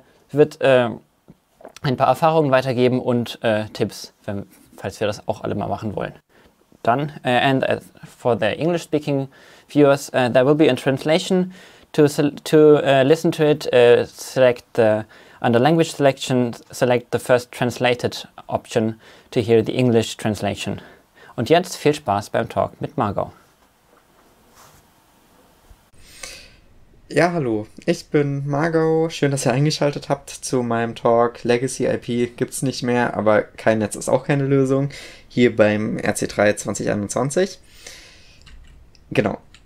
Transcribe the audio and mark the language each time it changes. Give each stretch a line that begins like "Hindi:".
German: Wird ein paar Erfahrungen weitergeben und Tipps, falls wir das auch alle mal machen wollen. Dann,
English: and for the English speaking viewers, there will be a translation. To listen to it, select the, under language selection, select the first translated option to hear the English translation.
German: Und jetzt viel Spaß beim Talk mit Margot. Ja, hallo, ich bin Margot. Schön, dass ihr eingeschaltet habt zu meinem Talk. Legacy IP gibt's nicht mehr, aber kein Netz ist auch keine Lösung. Hier beim RC3 2021. Genau.